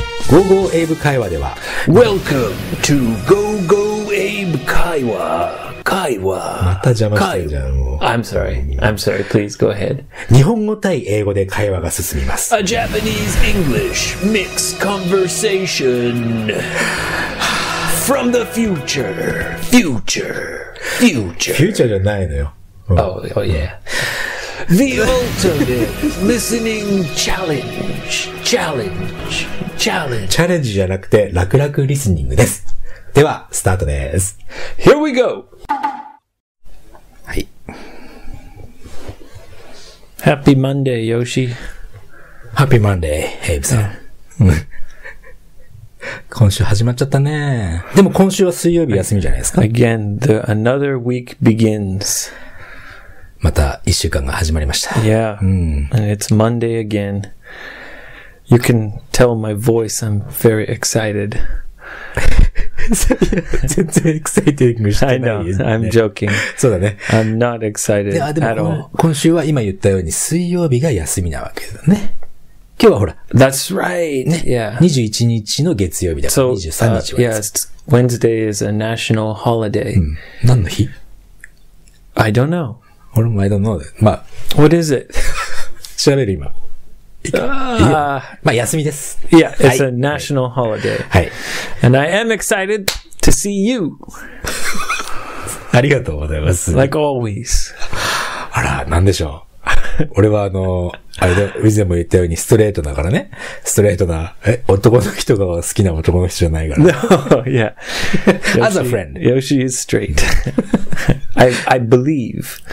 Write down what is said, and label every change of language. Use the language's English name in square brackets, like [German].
[Japanese] Go Go Abe 会話では。 [English] Welcome to Go Go Abe 会話。 [Japanese] 会話。また邪魔してるじゃん。 [English] I'm sorry. Please go ahead. [Japanese] 日本語対英語で会話が進みます。 [English] A Japanese English mixed conversation. From the future. Future. Future. [Japanese] Future じゃないのよ。 [English] Oh, yeah. The ultimate listening challenge. [Japanese] チャレンジじゃなくて、楽々リスニングです。では、スタートです。 [English] Here we go! [Japanese] はい。 [English] Happy Monday, Yoshi. Happy Monday, Abe さん。 [Japanese] 今週始まっちゃったね。でも今週は水曜日休みじゃないですか。 [English] Again, another week begins. [Japanese] また一週間が始まりました。 [English] Yeah.、And it's Monday again. You can tell my voice, I'm very excited. [Japanese] 全然 exciting してない。 [English] I know, I'm joking. [Japanese] そうだね。 [English] I'm not excited at all. [Japanese] 今週は今言ったように水曜日が休みなわけだね。今日はほら。 [English] That's right.、 [Japanese] ね、 [English] yeah. [Japanese] 21日の月曜日だから、23日は休み。 [English] So, yes, Wednesday is a national holiday.、 [Japanese] 何の日？ [English] I don't know. [Japanese] 俺も [English] I don't know. [Japanese] まあ。 [English] What is it? [Japanese] 調べる今。いや、まあ休みです。 [English] Yeah, it's a national holiday. [Japanese] はい。 [English] And I am excited to see you. [Japanese] ありがとうございます。 [English] Like always. [Japanese] あら、なんでしょう。俺はあれで、以前も言ったようにストレートだからね。ストレートな、男の人が好きな男の人じゃないから。 [English] No, yeah. As a friend. Yoshi is straight. I believe.